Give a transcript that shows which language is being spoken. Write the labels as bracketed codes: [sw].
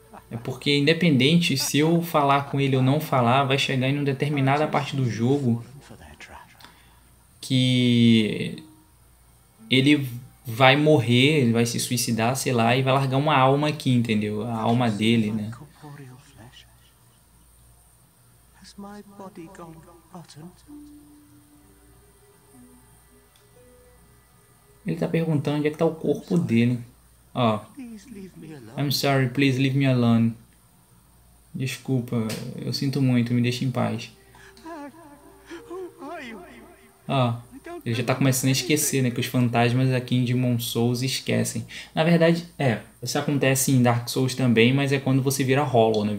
[pt] É porque independente se eu falar com ele ou não falar, vai chegar em uma determinada parte do jogo que ele vai morrer, ele vai se suicidar, sei lá, e vai largar uma alma aqui, entendeu? A alma dele, né? Ele tá perguntando onde é que tá o corpo dele. Ó. [en] I'm sorry, please leave me alone. [pt] Desculpa, eu sinto muito, me deixa em paz. Ó. Ele já tá começando a esquecer, né? Que os fantasmas aqui em Demon Souls esquecem. Na verdade, é. Isso acontece em Dark Souls também, mas é quando você vira Hollow, né?